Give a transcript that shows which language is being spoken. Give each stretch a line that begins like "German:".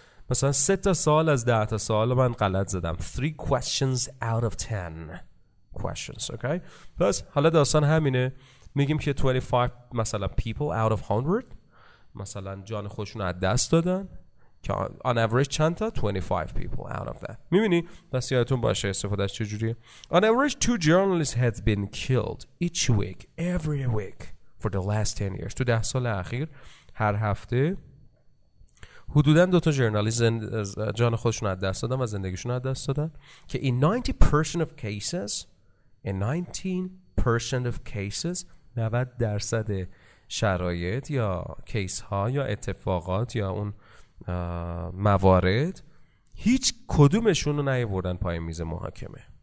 Persian: مثلا 3 تا سوال از 10 تا سوال من غلط زدم،
English: 3 questions out of 10 questions. okay.
Persian: پس حالا داستان همینه، میگیم که 25 مثلا
English: people out of 100
Persian: مثلا جان خودشون از دست دادن، که on average چند تا؟
English: 25 people out of that.
Persian: میبینی؟ بس یادتون باشه استفاده از چجوریه.
English: On average 2 journalists had been killed each week, every week for the last 10 years.
Persian: تو 10 سال اخیر هر هفته حدوداً 2 ژورنالیست جان خودشون از دست دادن و زندگیشون از دست دادن، که
English: in 90% of cases
Persian: 90 درصد شرایط یا کیس ها یا اتفاقات یا اون موارد هیچ کدومشون رو نیاوردن پای میز محاکمه.